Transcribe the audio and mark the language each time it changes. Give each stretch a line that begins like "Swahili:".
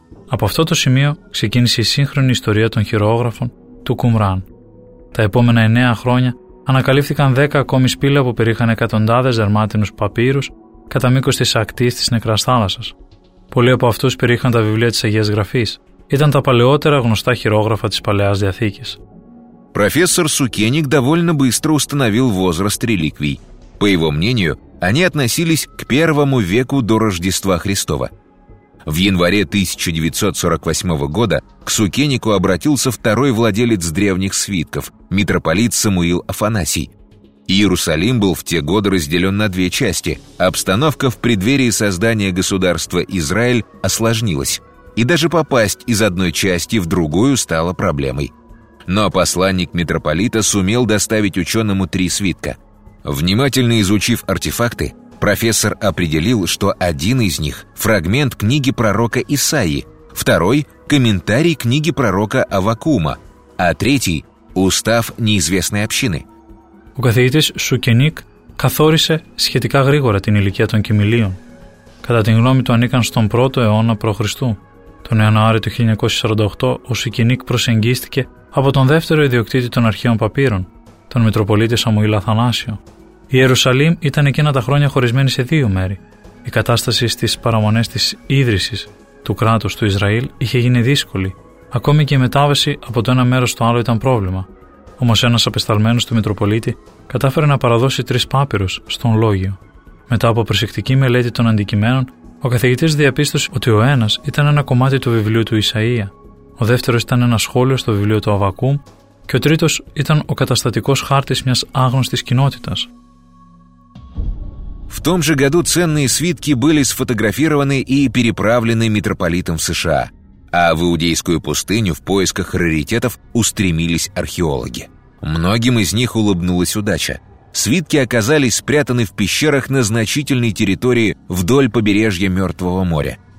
Greek: Από αυτό το σημείο ξεκίνησε η σύγχρονη ιστορία των χειρόγραφων του Κουμράν. Τα επόμενα 9 χρόνια ανακαλύφθηκαν 10 ακόμη σπήλαια που περίχαν εκατοντάδες δερμάτινους παπύρους κατά μήκος της ακτής της Νεκράς Θάλασσας. Πολλοί από αυτούς περίχαν τα βιβλία της Αγίας Γραφής. Ήταν τα παλαιότερα γνωστά χειρόγραφα της Παλαιάς Διαθήκης.
Russian: Профессор Сукеник довольно быстро установил возраст реликвий. По его мнению, они относились к первому веку до Рождества Христова. В январе 1948 года к Сукенику обратился второй владелец древних свитков, митрополит Самуил Афанасий. Иерусалим был в те годы разделен на две части. Обстановка в преддверии создания государства Израиль осложнилась. И даже попасть из одной части в другую стало проблемой. Но посланник митрополита сумел доставить ученому три свитка. Внимательно изучив артефакты, профессор определил, что один из них – фрагмент книги пророка Исаии, второй – комментарий книги пророка Аввакума, а третий – устав неизвестной общины.
Greek: Ο καθηγητής Σουκενίκ καθόρισε σχετικά γρήγορα την ηλικία των κοιμηλίων. Κατά την γνώμη του ανήκαν στον 1ο αιώνα π.Χ. Τον Ιανουάριο του 1948 ο Σουκενίκ προσεγγίστηκε από τον δεύτερο ιδιοκτήτη των αρχαίων παπύρων, τον Μητροπολίτη Σαμουήλ Αθανάσιο. Η Ιερουσαλήμ ήταν εκείνα τα χρόνια χωρισμένη σε δύο μέρη. Η κατάσταση στις παραμονές της ίδρυσης του κράτους του Ισραήλ είχε γίνει δύσκολη. Ακόμη και η μετάβαση από το ένα μέρος στο άλλο ήταν πρόβλημα. Όμως ένας απεσταλμένος του Μητροπολίτη κατάφερε να παραδώσει τρεις πάπυρους στον Λόγιο. Μετά από προσεκτική μελέτη των αντικειμένων, ο καθηγητής διαπίστωσε ότι ο ένας ήταν ένα κομμάτι του βιβλίου του Ισαΐα, ο δεύτερος ήταν ένα σχόλιο στο βιβλίο του Αββακούμ και ο τρίτος ήταν ο καταστατικός χάρτης μιας άγνωστης κοινότητας.
Russian: В том же году ценные свитки были сфотографированы и переправлены митрополитом в США, а в Иудейскую пустыню в поисках раритетов устремились археологи. Многим из них улыбнулась удача. Свитки оказались спрятаны в пещерах на значительной территории вдоль побережья Мертвого моря.